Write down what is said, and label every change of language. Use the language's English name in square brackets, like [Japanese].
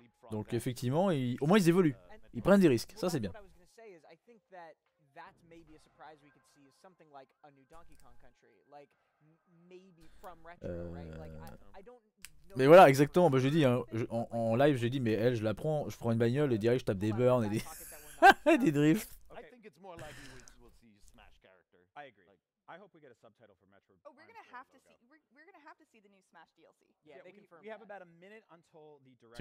[French] Donc effectivement, au moins ils évoluent. Ils prennent des risques, ça c'est bien. [English] I think that that may be a surprise we could see is something like a new Donkey Kong Country, like maybe from Retro, right? Like, I don't know. [French] Mais voilà, exactement. Bah, je dis, hein, en live, je dis, mais elle, je la prends, je prends une bagnole et direct, je tape des burns et des, des drifts. [English] I think it's more likely we'll see Smash character. I agree. Like, I hope we get a subtitle for Metroid. Oh, we're gonna have to see. We're gonna have to see the new Smash DLC. Yeah, they confirm. We have about a minute until the direct.